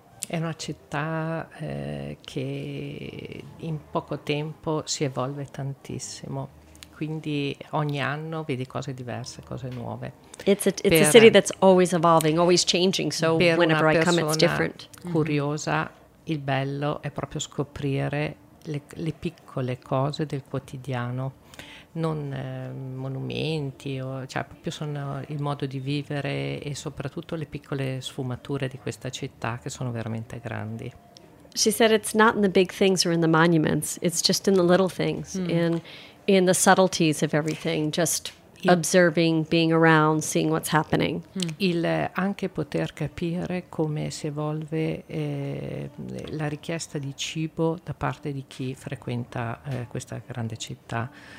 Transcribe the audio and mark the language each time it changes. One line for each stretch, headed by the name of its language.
Italian: È una città che in poco tempo si evolve tantissimo, quindi ogni anno vedi cose diverse, cose nuove.
English: It's a city that's always evolving, always changing, so whenever I come it's different.
Italian: Curiosa. Il bello è proprio scoprire le piccole cose del quotidiano, non monumenti, cioè proprio sono il modo di vivere e soprattutto le piccole sfumature di questa città che sono veramente grandi.
English: She said it's not in the big things or in the monuments, it's just in the little things, in the subtleties of everything, just observing, being around, seeing what's happening. Mm.
Italian: Il anche poter capire come si evolve la richiesta di cibo da parte di chi frequenta questa grande città.